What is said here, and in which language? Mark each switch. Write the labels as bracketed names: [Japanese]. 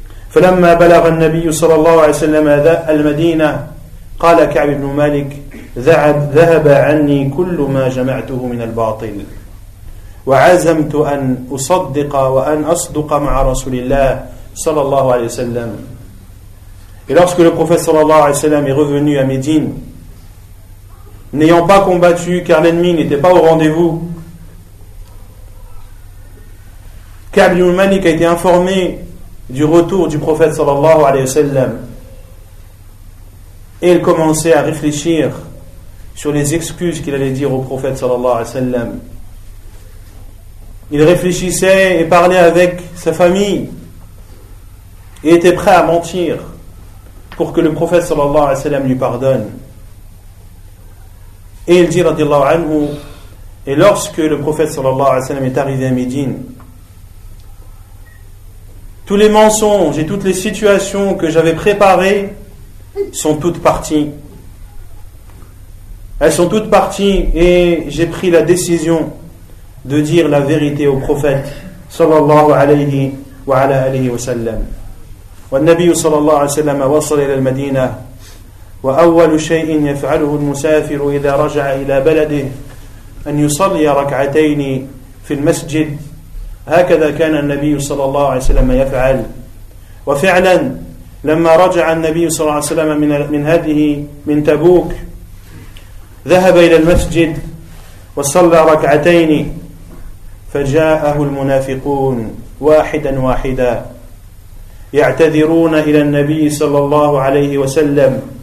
[Arabic] فلما بلغ النبي صلى الله عليه وسلم المدينة قال كعب بن مالك ذهب عني كل ما جمعته من الباطل، وعزمت أن أصدق وأن أصدق مع رسول الله صلى الله عليه وسلم. [French] Et lorsque le prophète sallallahu alayhi wa sallam est revenu à Médine, n'ayant pas combattu car l'ennemi n'était pas au rendez-vous, Ka'b ibn Malik a été informé du retour du prophète sallallahu alayhi wa sallam. Et il commençait à réfléchir sur les excuses qu'il allait dire au prophète sallallahu alayhi wa sallam. Il réfléchissait et parlait avec sa famille et était prêt à mentir pour que le prophète sallallahu alayhi wa sallam lui pardonne. Et il dit radiallahu anhu, et lorsque le prophète sallallahu alayhi wa sallam est arrivé à Médine, tous les mensonges et toutes les situations que j'avais préparées sont toutes parties. Elles sont toutes parties et j'ai pris la décision de dire la vérité au prophète sallallahu alayhi wa ala alayhi wa sallam. [Arabic] والنبي صلى الله عليه وسلم وصل إلى المدينة وأول شيء يفعله المسافر إذا رجع إلى بلده أن يصلي ركعتين في المسجد، هكذا كان النبي صلى الله عليه وسلم يفعل. وفعلا لما رجع النبي صلى الله عليه وسلم من تبوك ذهب إلى المسجد وصلى ركعتين، فجاءه المنافقون واحدا واحدا يعتذرون إلى النبي صلى الله عليه وسلم